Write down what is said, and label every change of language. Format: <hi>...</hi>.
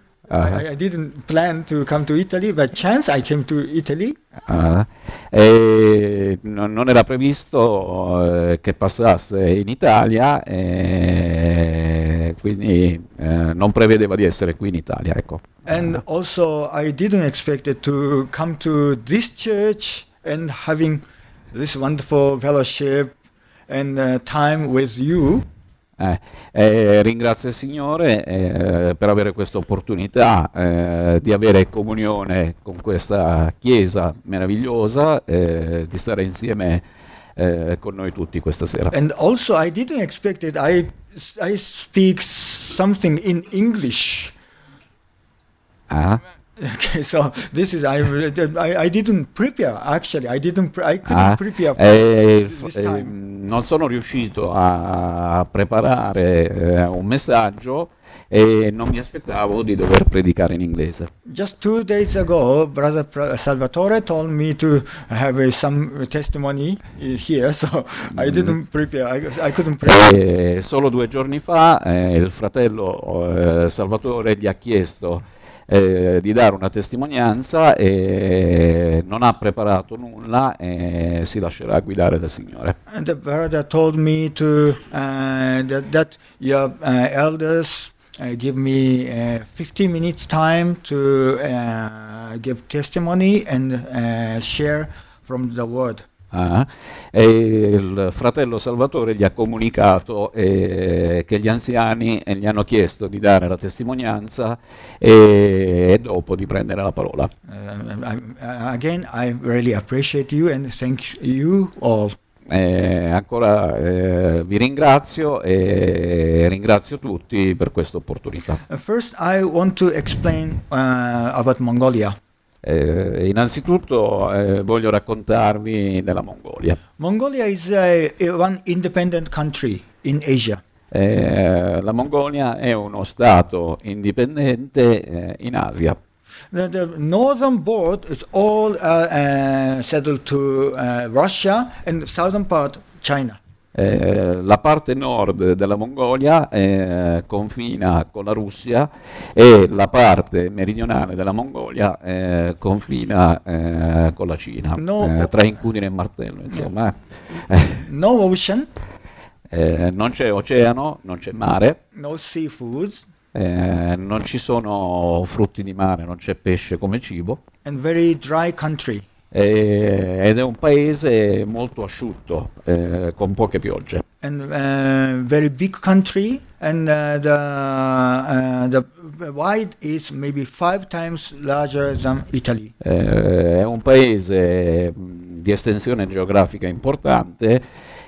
<en>I didn't plan to come to Italy, but chance I came to Italy.</en> <it>Non era previsto che passasse in Italia, quindi non prevedeva di essere qui in Italia, ecco.</it> <en>And also I didn't expect to come to this church and having this wonderful fellowship and time with you.</en> <it>Ringrazio il Signore per avere questa opportunità di avere comunione con questa chiesa meravigliosa, di stare insieme con noi tutti questa sera.</it> <en>And also I didn't expect it. I speak something in English. Okay, so this is I didn't prepare actually. I couldn't prepare for this time.</en> <it>Non sono riuscito a preparare un messaggio e non mi aspettavo di dover predicare in inglese.</it> <en>Just 2 days ago, Brother Salvatore told me to have some testimony here, so I didn't prepare. I couldn't prepare.</en> <it>Solo 2 giorni fa il fratello Salvatore gli ha chiesto di dare una testimonianza e non ha preparato nulla e si lascerà guidare dal Signore.</it> <en>And the brother told me to that your elders give me 15 minutes time to give testimony and share from the word.</en> <it>E il fratello Salvatore gli ha comunicato che gli anziani gli hanno chiesto di dare la testimonianza e dopo di prendere la parola.</it> <en>Again, I really appreciate you and thank you all.</en> <it>Ancora vi ringrazio e ringrazio tutti per questa opportunità.</it> <en>First, I want to explain about Mongolia.</en> <it>Innanzitutto voglio raccontarvi della Mongolia.</it> <en>Mongolia is one independent country in Asia.</en> <it>La Mongolia è uno stato indipendente in Asia.</it> <en>The northern part is all settled to Russia and the southern part China.</en> <it>La parte nord della Mongolia confina con la Russia e la parte meridionale della Mongolia confina con la Cina, no, tra incudine e martello, insomma.</it> <en>No ocean.</en> <it>Non c'è oceano, non c'è mare.</it> <en>No seafood.</en> <it>Non ci sono frutti di mare, non c'è pesce come cibo.</it> <en>And very dry country.</en> <it>Ed è un paese molto asciutto, con poche piogge.</it> <en>And very big country, and the wide is maybe 5 times larger than Italy.</en> <it>È un paese di estensione geografica importante.</it>